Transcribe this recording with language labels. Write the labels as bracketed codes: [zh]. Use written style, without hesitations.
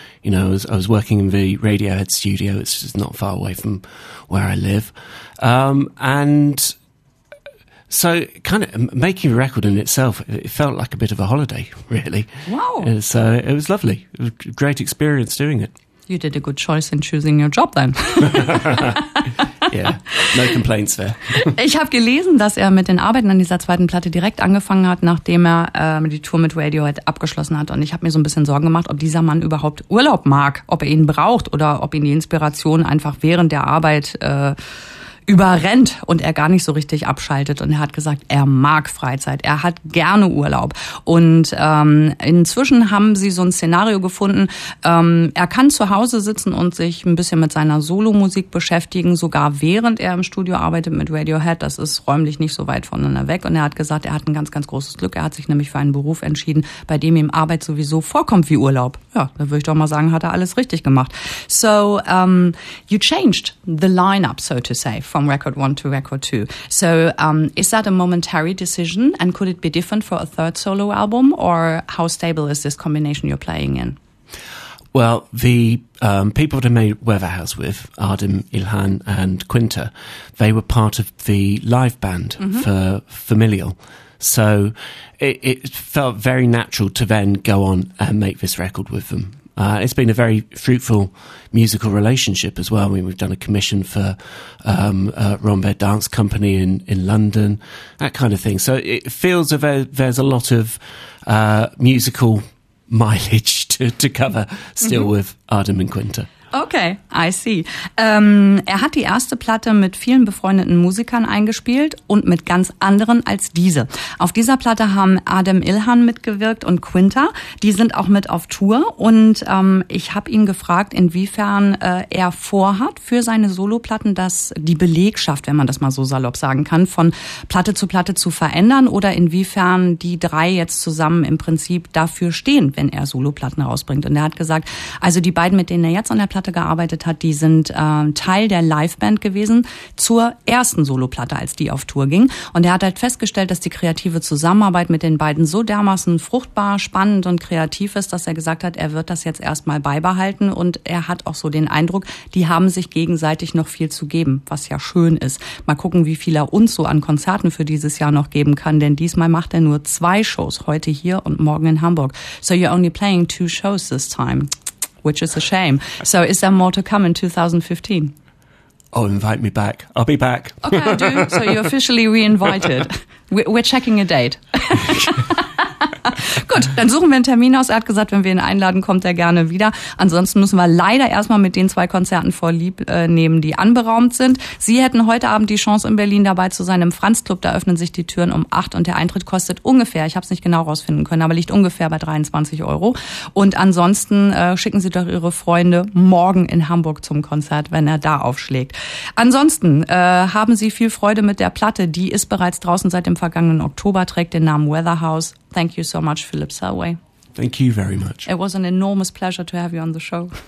[en] You know, I was working in the Radiohead studio. It's just not far away from where I live. And so kind of making a record in itself, it felt like a bit of a holiday, really. Wow. So it was lovely. It was a great experience doing it. You did a good choice in choosing your job then. Yeah, no complaints there. [de] Ich habe gelesen, dass er mit den Arbeiten an dieser zweiten Platte direkt angefangen hat, nachdem er die Tour mit Radiohead abgeschlossen hat. Und ich habe mir so ein bisschen Sorgen gemacht, ob dieser Mann überhaupt Urlaub mag, ob er ihn braucht oder ob ihn die Inspiration einfach während der Arbeit überrennt und er gar nicht so richtig abschaltet. Und er hat gesagt, er mag Freizeit, er hat gerne Urlaub. Und inzwischen haben sie so ein Szenario gefunden, er kann zu Hause sitzen und sich ein bisschen mit seiner Solomusik beschäftigen, sogar während er im Studio arbeitet mit Radiohead. Das ist räumlich nicht so weit voneinander weg. Und er hat gesagt, er hat ein ganz, ganz großes Glück. Er hat sich nämlich für einen Beruf entschieden, bei dem ihm Arbeit sowieso vorkommt wie Urlaub. Ja, da würde ich doch mal sagen, hat er alles richtig gemacht. [en] So, you changed the lineup, so to say, from record one to record two. So is that a momentary decision, and could it be different for a third solo album, or how stable is this combination you're playing in? Well, the people that I made Weatherhouse with, Adem, Ilhan and Quinta, they were part of the live band for Familial. So it felt very natural to then go on and make this record with them. It's been a very fruitful musical relationship as well. I mean, we've done a commission for Rombert Dance Company in London, that kind of thing. So it feels that there's a lot of musical mileage to cover still with Adem and Quinta. Okay, I see. [de] Er hat die erste Platte mit vielen befreundeten Musikern eingespielt und mit ganz anderen als diese. Auf dieser Platte haben Adem Ilhan mitgewirkt und Quinta. Die sind auch mit auf Tour. Und ich habe ihn gefragt, inwiefern er vorhat, für seine Soloplatten, dass die Belegschaft, wenn man das mal so salopp sagen kann, von Platte zu verändern, oder inwiefern die drei jetzt zusammen im Prinzip dafür stehen, wenn er Soloplatten rausbringt. Und er hat gesagt, also die beiden, mit denen er jetzt an der Platte gearbeitet hat, die sind Teil der Liveband gewesen zur ersten Soloplatte, als die auf Tour ging. Und er hat halt festgestellt, dass die kreative Zusammenarbeit mit den beiden so dermaßen fruchtbar, spannend und kreativ ist, dass er gesagt hat, er wird das jetzt erstmal beibehalten. Und er hat auch so den Eindruck, die haben sich gegenseitig noch viel zu geben, was ja schön ist. Mal gucken, wie viel er uns so an Konzerten für dieses Jahr noch geben kann, denn diesmal macht er nur zwei Shows, heute hier und morgen in Hamburg. [en] So you're only playing two shows this time, which is a shame. So is there more to come in 2015? Oh, invite me back. I'll be back. Okay, I do. So you're officially re-invited. We're checking a date. [de] Gut, dann suchen wir einen Termin aus. Er hat gesagt, wenn wir ihn einladen, kommt er gerne wieder. Ansonsten müssen wir leider erstmal mit den zwei Konzerten vorlieb nehmen, die anberaumt sind. Sie hätten heute Abend die Chance, in Berlin dabei zu sein im Franz-Club. Da öffnen sich die Türen um 8 und der Eintritt kostet ungefähr, ich habe es nicht genau rausfinden können, aber liegt ungefähr bei 23 Euro. Und ansonsten schicken Sie doch Ihre Freunde morgen in Hamburg zum Konzert, wenn er da aufschlägt. Ansonsten haben Sie viel Freude mit der Platte. Die ist bereits draußen seit dem vergangenen Oktober, trägt den Namen Weatherhouse. [en] Thank you so much, Philip Salway. Thank you very much. It was an enormous pleasure to have you on the show.